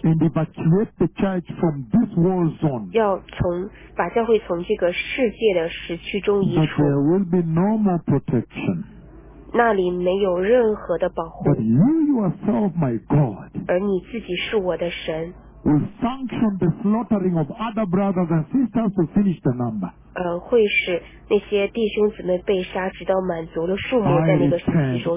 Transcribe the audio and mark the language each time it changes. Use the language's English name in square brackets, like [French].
[English] and evacuate the church from this war zone, [Chinese] 要从把教会从这个世界的时区中移出 [English] there will be no more protection, [Chinese] 那里没有任何的保护 [English] but you yourself, my God, [Chinese] 而你自己是我的神 [English] will sanction the slaughtering of other brothers and sisters to finish the number, [Chinese] 会使那些弟兄姊妹被杀直到满足了数目在那个时期中